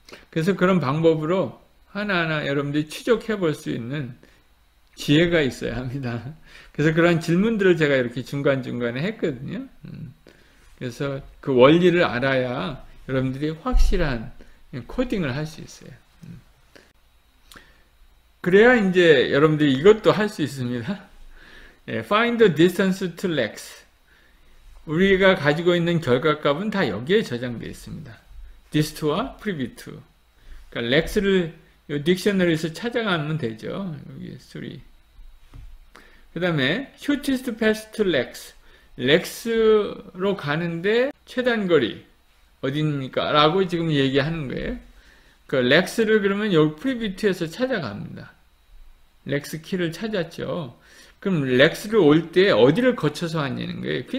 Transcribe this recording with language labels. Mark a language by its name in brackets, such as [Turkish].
[Korean] 그래서 그런 방법으로 하나하나 여러분들이 추적해 볼 수 있는 지혜가 있어야 합니다. 그래서 그런 질문들을 제가 이렇게 중간중간에 했거든요. 그래서 그 원리를 알아야 여러분들이 확실한 코딩을 할 수 있어요. 그래야 이제 여러분들이 이것도 할 수 있습니다. [English] Find the distance to Lex. [Korean] 우리가 가지고 있는 결과값은 다 여기에 저장되어 있습니다. Dist와 Privy2. 그러니까 Lex를 딕셔너리에서 찾아가면 되죠. 여기 3. 그 다음에 [English] Shortest path to Lex. [Korean] Lex로 가는데 최단거리 어디입니까? 라고 지금 얘기하는 거예요. 그 Lex를 그러면 여기 Privy2에서 찾아갑니다. Lex 키를 찾았죠. 그럼 Lex를 올 때 어디를 거쳐서 왔냐는 거예요.